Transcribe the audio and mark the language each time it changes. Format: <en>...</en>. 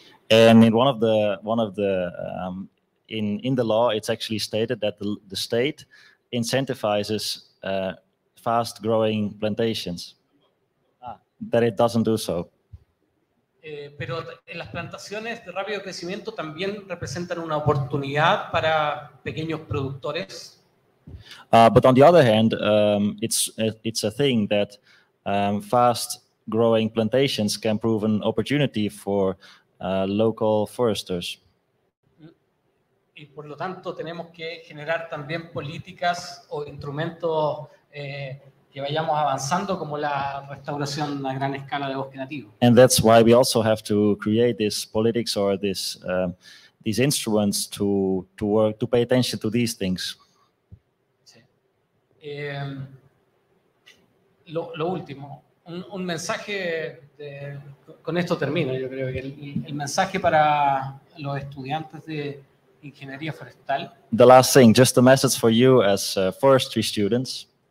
<en>And in one of the in the law, it's actually stated that the state incentivizes fast growing plantations. That it doesn't do so.</en> <es>Pero en las plantaciones de rápido crecimiento también representan una oportunidad para pequeños productores.</es> <en>But on the other hand, it's a thing that fast growing plantations can prove an opportunity for local foresters.</en> <es>Y por lo tanto tenemos que generar también políticas o instrumentos que vayamos avanzando como la restauración a gran escala de bosque nativo.</es> <en>And that's why we also have to create this politics or this these instruments to work to pay attention to these things.</en> <es>Sí. Lo último, un mensaje de, con esto termino, yo creo que el mensaje para los estudiantes de ingeniería forestal.</es> <en>The last thing, just a message for you as forestry students.</en>